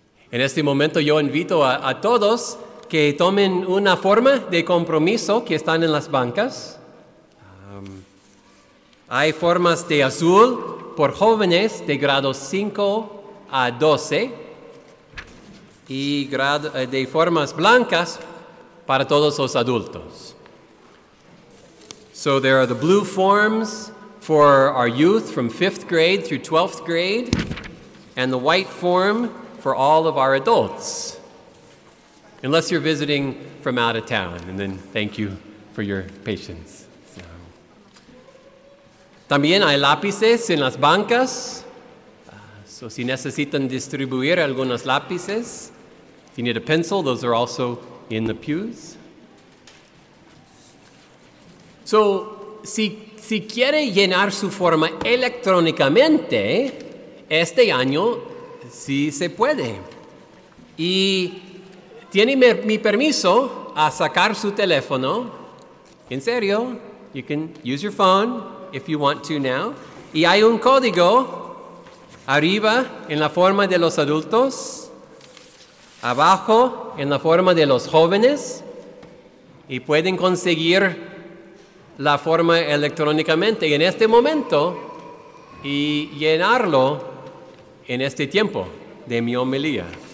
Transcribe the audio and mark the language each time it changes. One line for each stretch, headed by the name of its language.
Spanish: En este momento yo invito a todos que tomen una forma de compromiso que están en las bancas. Hay formas de azul por jóvenes de grado 5 a 12 y de formas blancas para todos los adultos.
English: So there are the blue forms for our youth from 5th grade through 12th grade and the white form for all of our adults. Unless you're visiting from out of town, and then thank you for your patience. So.
Spanish: También hay lápices en las bancas. So si necesitan distribuir algunos lápices,
English: if you need a pencil, those are also in the pews.
Spanish: So si quiere llenar su forma electrónicamente este año, sí se puede. Y tiene mi permiso a sacar su teléfono. En serio,
English: you can use your phone if you want to now.
Spanish: Y hay un código arriba en la forma de los adultos, abajo en la forma de los jóvenes, y pueden conseguir la forma electrónicamente en este momento y llenarlo en este tiempo de mi homilía.